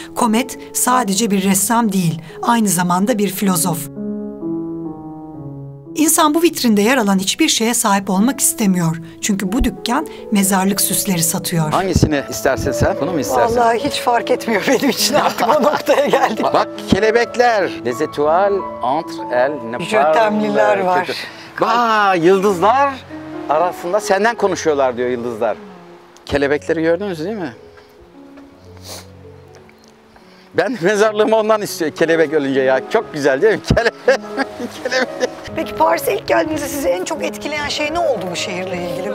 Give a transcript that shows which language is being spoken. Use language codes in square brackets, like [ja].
[tr] Comet sadece bir ressam değil, aynı zamanda bir filozof. İnsan bu vitrinde yer alan hiçbir şeye sahip olmak istemiyor. Çünkü bu dükkan mezarlık süsleri satıyor. Hangisini istersin sen? Bunu mu istersin? Vallahi hiç fark etmiyor benim için, artık o noktaya geldik. Bak kelebekler. [fr] Les étoiles entre elles ne parlent. Jötemliler var. [tr] Aa, yıldızlar arasında senden konuşuyorlar diyor yıldızlar. Kelebekleri gördünüz değil mi? Ben mezarlığımı ondan istiyor, kelebek ölünce ya. Çok güzel değil mi? Kelebek. Peki Paris'e ilk geldiğinizde sizi en çok etkileyen şey ne oldu bu şehirle ilgili?